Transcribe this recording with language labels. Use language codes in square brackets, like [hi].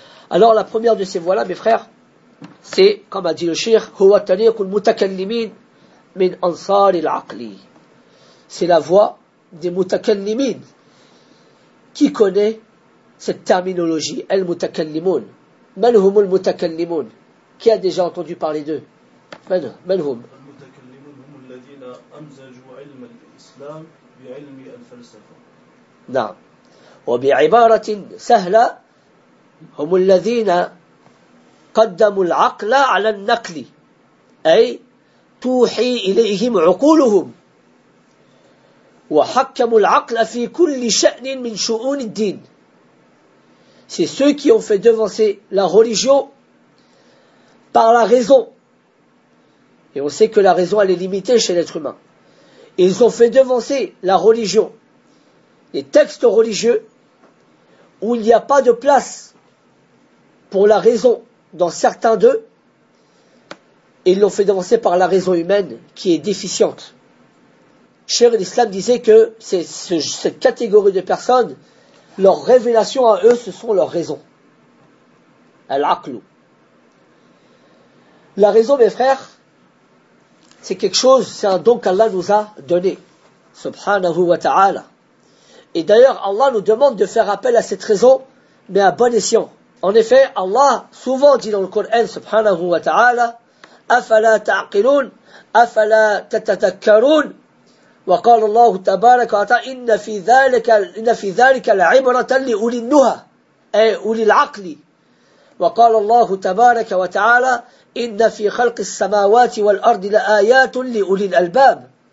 [fr] Alors la première de ces voies-là, mes frères, c'est, comme a dit le shir, « [ar] هو طريق المتكلمين من أنصار العقل ». [fr] C'est la voie des متكلمين. Qui connaît cette terminologie ?« المتكلمون ». [ar] « من هم المتكلمون ?» [fr] Qui a déjà entendu parler d'eux ?« [ar] من هم ?» ?« المتكلمون هم الذين أمزجوا علم الإسلام بعلم الفلسفة. » نعم. وبعبارة سهلة هم الذين قدموا العقل على النقل أي توحي إليهم عقولهم وحكموا العقل في كل شأن من شؤون الدين. [fr] C'est ceux qui ont fait devancer la religion par la raison. Et on sait que la raison, elle est limitée chez l'être humain. Ils ont fait devancer la religion, les textes religieux, où il n'y a pas de place pour la raison dans certains d'eux, et ils l'ont fait devancer par la raison humaine, qui est déficiente. Cheikh l'Islam disait que c'est cette catégorie de personnes, leur révélation à eux, ce sont leurs raisons. Al-Aqlu. La raison, mes frères, c'est quelque chose, c'est un don qu'Allah nous a donné. Subhanahu wa ta'ala. Et d'ailleurs, Allah nous demande de faire appel à cette raison, mais à bon escient. En effet, Allah souvent dit dans le Coran, subhanahu wa ta'ala, [ar] أَفَلَا تَعْقِلُونَ أَفَلَا تَتَذَكَّرُونَ وَقَالَ اللَّهُ تَبَارَكَ وَتَعَالَى إِنَّ فِي ذَلِكَ لَعِبْرَةً لِأُولِي النُّهَى أي أُولِي الْعَقْلِ وَقَالَ اللَّهُ تَبَارَكَ وَتَعَالَى إِنَّ فِي خَلْقِ السَّمَاوَاتِ وَالْأَرْضِ لَآيَاتٌ لِأُولِي الْأَلْبَابِ